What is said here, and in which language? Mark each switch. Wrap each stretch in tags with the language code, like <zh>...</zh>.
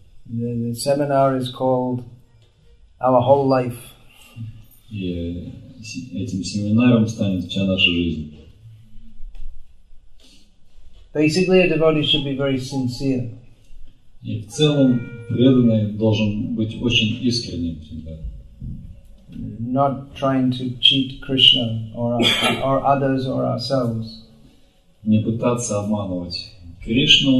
<en>The seminar is called Our Whole Life.</en> <ru>И этим семинаром станет вся наша жизнь.</ru> <en>Basically, a devotee should be very sincere.</en> <ru>И в целом преданный должен быть очень искренним всегда.</ru> <en>Not trying to cheat Krishna or others or ourselves.</en> <ru>Не пытаться обманывать Кришну.</ru>